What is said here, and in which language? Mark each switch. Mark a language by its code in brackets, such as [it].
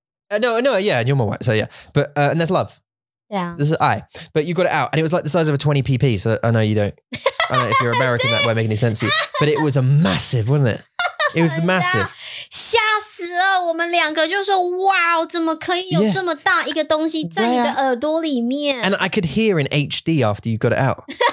[en] No, yeah, and you're my wife, so yeah. But, and there's love. Yeah. This is I. But you got it out, and it was like the size of a 20 pp, so I know you don't, I know if you're American, that won't make any sense to you. But it was a massive, wasn't it? It was massive. [zh] 吓死了,我们两个就说,哇,怎么可以有这么大一个东西在你的耳朵里面? [en] And I could hear in HD after you got it out.